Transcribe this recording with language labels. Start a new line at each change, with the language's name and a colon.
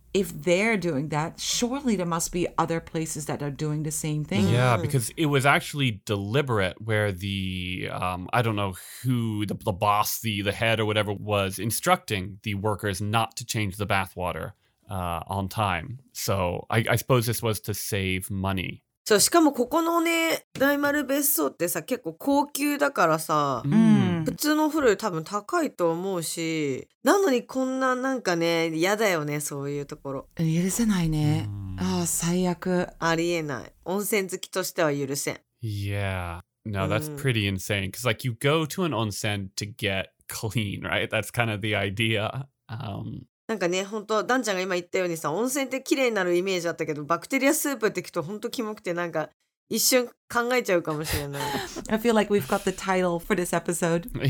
English: if they're doing that, surely there must be other places that are doing the same thing. Yeah, because it was actually deliberate where the, I don't know who, the boss, the head or whatever was instructing the workers not to change the bathwater on time. So I suppose this was to save money.
Japanese: そう、しかもここのね、大丸別荘ってさ、結構高級だからさ、普通のお風呂より多分高いと思うし、なのにこんななんかね、嫌だよね、そういうところ。許せないね。ああ、最悪。ありえない。温泉好きとしては許せん。
English: Yeah. No, that's pretty insane. Because like, you go to an onsen to get clean, right? That's kind of the idea.
Japanese: なんかね、本当ダンちゃんが今言ったようにさ、温泉って綺麗になるイメージあったけど、バクテリアスープって聞くと本当キモくてなんか一瞬考えちゃうかもしれない。
English: I feel like we've got the title for this episode.